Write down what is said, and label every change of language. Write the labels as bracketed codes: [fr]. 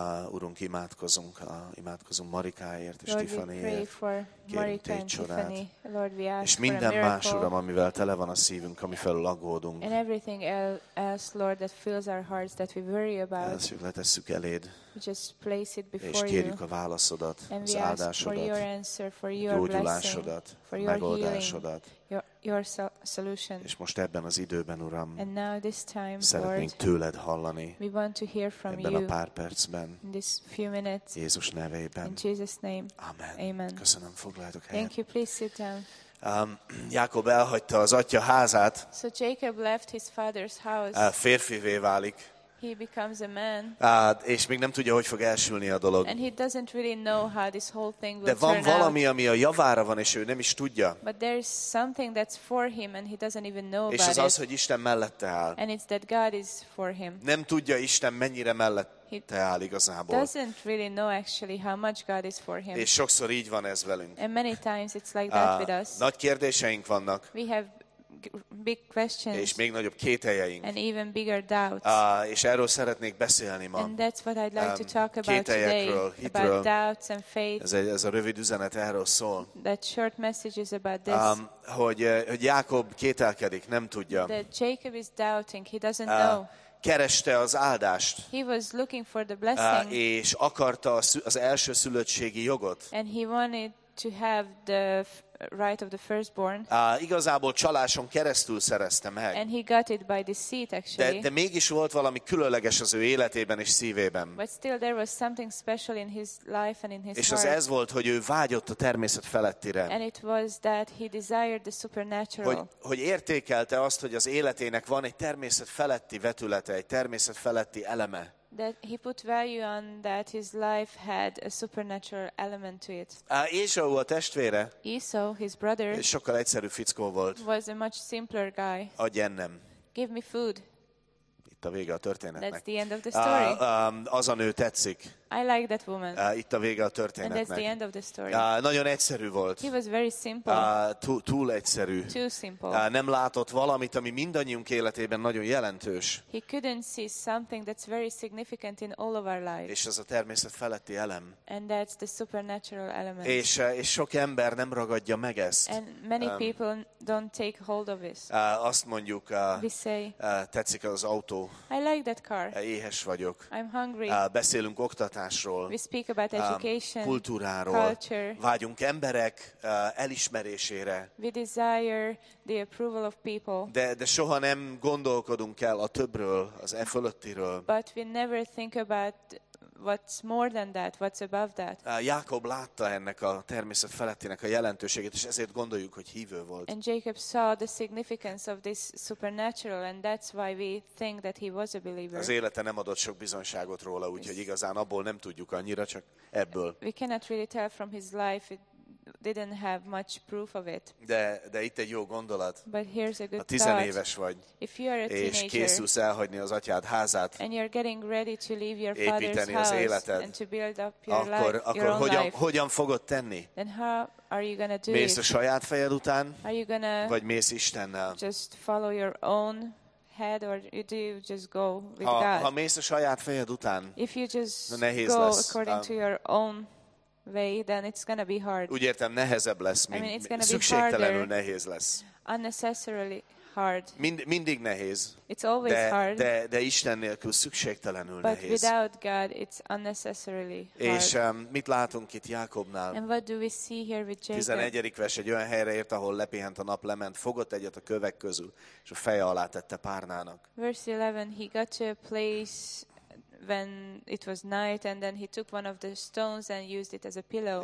[hu] Urunk, imádkozunk Marikáért és Tiffanyért. Kérünk téged, [en] Tiffany. Lord, we ask [hu] és minden más, Uram, amivel tele van a szívünk, ami felül aggódunk. [en] And everything else, Lord, that fills our hearts, that we worry about. [hu] Ezt letesszük eléd. [en] Just place it before [hu] és kérjük a válaszodat, [en] and [hu] az áldásodat, [en] for your answer, for your [hu] gyógyulásodat, [en] for your [hu] megoldásodat. [en] Healing, your solution. [hu] És most ebben az időben, Uram, [en] and now this time, [hu] szeretnénk [en] Lord, [hu] tőled hallani, [en] we want to hear from [hu] ebben [en] you [hu] a pár percben, [en] in this few minutes, [hu] Jézus nevében. [en] In Jesus' name. [hu] Amen. [en] Amen. [hu] Köszönöm, foglaljatok helyet. [en] Thank you, please sit down. [hu] Jákob elhagyta az atya házát. [en] So Jacob left his father's house. [hu] Férfivé válik. [en] He becomes a man. [hu] És még nem tudja, hogy fog elsülni a dolog. [en] And he doesn't really know how this whole thing will turn. [hu] De van valami, [en] out. [hu] Ami a javára van, és ő nem is tudja. [en] But there is something that's for him and he doesn't even know about it. [hu] És ez az, hogy Isten mellette áll. [en] And it's that God is for him. [hu] Nem tudja Isten mennyire mellette áll igazából. [en] He doesn't really know actually how much God is for him. [hu] És sokszor így van ez velünk. [en] And many times it's like that with us. [hu] Nagy kérdéseink vannak. [en] We have big questions, [hu] és még nagyobb kételjeink. [en] And even bigger doubts. [hu] És erről szeretnék beszélni ma. [en] And that's what I'd like to talk about today. [hu] Kételyekről, hitről. [en] About doubts and faith. [hu] Ez a rövid üzenet erről szól. [en] That short message is about this. [hu] Hogy Jákob kételkedik, nem tudja. [en] That Jacob is doubting, he doesn't know. [hu] Kereste az áldást. [en] He was looking for the blessing. [hu] És akarta az első szülöttségi jogot. [en] And he wanted to have the right of the firstborn. [hu] Igazából csaláson keresztül szerezte meg. [en] And he got it by deceit, actually. [hu] De mégis volt valami különleges az ő életében és szívében. [en] But still there was something special in his life and in his [hu] és [en] heart. [hu] És ez volt, hogy ő vágyott a természet felettire. [en] And it was that he desired the supernatural. [hu] Hogy értékelte azt, hogy az életének van egy természet feletti vetülete, egy természet feletti eleme. [en] That he put value on that his life had a supernatural element to it. [hu] Esau, a testvére. [en] Esau, his brother. [hu] Sokkal egyszerűbb fickó volt. [en] Was a much simpler guy. [hu] Adj ennem. [en] Give me food. [hu] Itt a vége a történetnek. [en] That's the end of the story. [hu] Az a nő tetszik. [en] I like that woman. [hu] Itt a vége a történetnek. [en] And that's the end of the story. [hu] Nagyon egyszerű volt. [en] He was very simple. [hu] Túl egyszerű. [en] Too simple. [hu] Nem látott valamit, ami mindannyiunk életében nagyon jelentős. [en] He couldn't see something that's very significant in all of our lives. [hu] És az a természet feletti elem. [en] And that's the supernatural element. [hu] És sok ember nem ragadja meg ezt. [en] And many people don't take hold of this. [hu] Azt mondjuk, [en] we say, [hu] tetszik az autó. [en] I like that car. [hu] Éhes vagyok. [en] I'm hungry. [hu] Beszélünk oktatásról. [en] We speak about education, [hu] kultúráról, [en] culture. [hu] Vágyunk emberek elismerésére. [en] We desire the approval of people. [hu] De soha nem gondolkodunk el a többről, az e fölöttiről. [en] But we never think about what's more than that, what's above that. [hu] Jákob látta ennek a természet felettinek a jelentőségét, és ezért gondoljuk, hogy hívő volt. [en] And Jacob saw the significance of this supernatural, and that's why we think that he was a believer. [hu] Az élete nem adott sok bizonyságot róla, úgyhogy igazán abból nem tudjuk annyira, csak ebből. [en] We cannot really tell from his life. It didn't have much proof of it. [hu] De itt egy jó gondolat. [en] But here's a good thought. [hu] Ha 10 éves vagy, [en] if you are a teenager, [hu] és készülsz elhagyni az atyád házát, [en] and you're getting ready to leave your father's house and to build up your life, [hu] hogyan fogod tenni? [en] Then how are you gonna do it? [hu] Mész a saját fejed után, [en] are you gonna [hu] vagy mész Istennel? [en] Just follow your own head, or do you just go with God? [hu] Ha mész a saját fejed után, [en] if you just go according to your own way, then it's gonna be hard. [hu] Úgy értem, nehezebb lesz, mint szükségtelenül nehéz lesz. [en] Unnecessarily hard. [hu] Mindig nehéz. [en] It's always hard. [hu] De Isten nélkül szükségtelenül [en] but [hu] nehéz. [en] But without God, it's unnecessarily hard. [hu] És mit látunk itt Jákobnál? [en] And what do we see here with Jacob? [hu] 11. vers egy olyan helyre ért, ahol lepihent a nap, lement, fogott egyet a kövek közül, és a feje alá tette párnának. [en] Verse 11, he got to a place when it was night, and then he took one of the stones and used it as a pillow.